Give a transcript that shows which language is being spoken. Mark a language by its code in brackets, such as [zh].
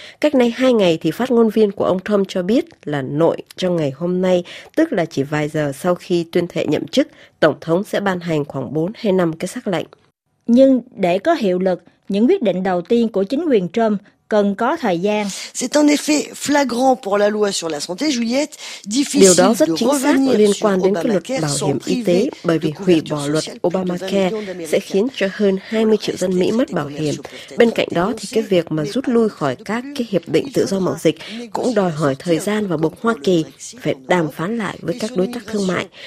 [vi] Cách nay 2 ngày thì phát ngôn viên của ông Trump cho biết là nội trong ngày hôm nay, tức là chỉ vài giờ sau khi tuyên thệ nhậm chức, Tổng thống sẽ ban hành khoảng 4 hay 5 cái sắc lệnh. Nhưng để có hiệu lực, những quyết định đầu tiên của chính quyền Trump cần có thời gian. [fr] C'est un effet flagrant pour la loi sur la santé, Juliette. Difficile. [vi] Điều đó rất chính xác liên quan đến cái luật bảo hiểm y tế, bởi vì hủy bỏ luật Obamacare sẽ khiến cho hơn 20 triệu dân Mỹ mất bảo hiểm. Bên cạnh đó thì cái việc mà rút lui khỏi các cái hiệp định tự do mậu dịch cũng đòi hỏi thời gian và buộc Hoa Kỳ phải đàm phán lại với các đối tác thương mại.